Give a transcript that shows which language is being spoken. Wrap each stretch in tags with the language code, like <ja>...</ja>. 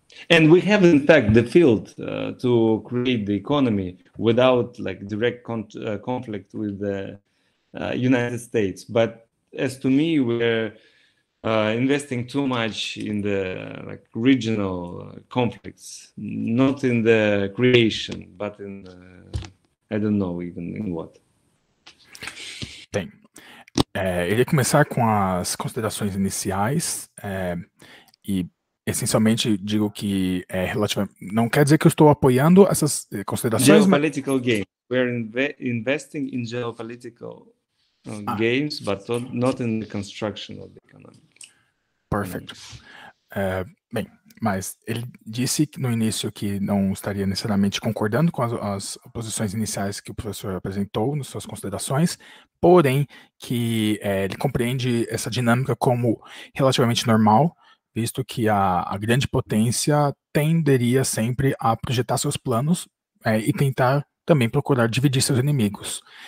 <en>And we have, in fact, the field to create the economy without like direct conflict with the United States. But as to me, we're investing too much in the like regional conflicts, not in the creation, but in, I don't know even in what.</en> <pt>Bem, ele começar com as considerações iniciais, essencialmente, digo que é relativamente. Não quer dizer que eu estou apoiando essas considerações.</pt> <en>Geopolitical games. We're investing in geopolitical games, but not in the construction of the economy. Perfect.</en> <pt>Bem, mas ele disse no início que não estaria necessariamente concordando com as posições iniciais que o professor apresentou nas suas considerações, porém que ele compreende essa dinâmica como relativamente normal, visto que a grande potência tenderia sempre a projetar seus planos e tentar também procurar dividir seus inimigos.</pt>